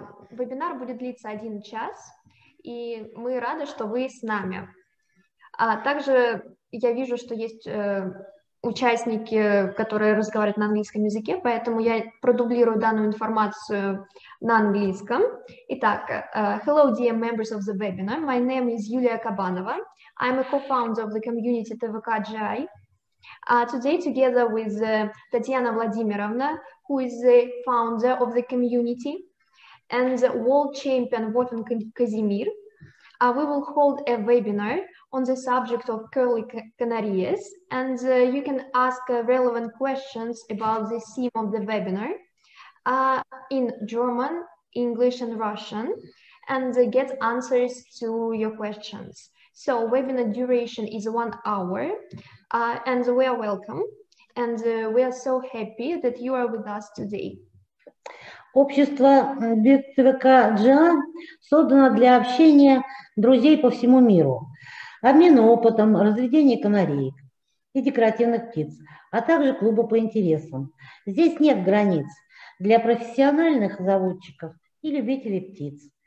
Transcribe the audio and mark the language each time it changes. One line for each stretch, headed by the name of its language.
Russian: Вебинар будет длиться 1 час, и мы рады, что вы с нами. Также я вижу, что есть участники, которые разговаривают на английском языке, поэтому я продублирую данную информацию на английском. Итак,
English: hello dear members of the webinar. My name is Yulia Kabanova. I'm a co-founder of the community TVKGI. Today, together with Tatiana Vladimirovna, who is the founder of the community, and the world champion Wolfgang Casimir, we will hold a webinar on the subject of curly canaries, and you can ask relevant questions about the theme of the webinar in German, English, and Russian, and get answers to your questions. So, webinar duration is 1 hour. And we are welcome, and we are so happy that you are with us today.
Russian: Общество Birds ТВК GA создано для общения друзей по всему миру, обмена опытом, разведения канареек и декоративных птиц, а также клуба по интересам. Здесь нет границ для профессиональных заводчиков и любителей птиц.